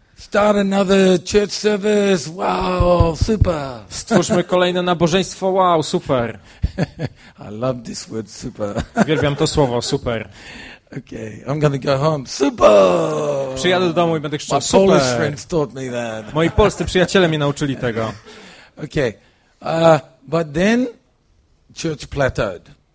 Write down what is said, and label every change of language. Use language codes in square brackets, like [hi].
[en] Start another church service, wow, super. [pl] Stwórzmy kolejne nabożeństwo, wow, super. [en] I love this word, super. [pl] Uwielbiam to słowo, super. [en] Okay, I'm gonna go home. Super! [pl] Przyjadę do domu i będę krzyczał. [en] My Polish friends taught me that. [pl] Moi polscy przyjaciele mi nauczyli tego. [en] Okay, but then church plateaued.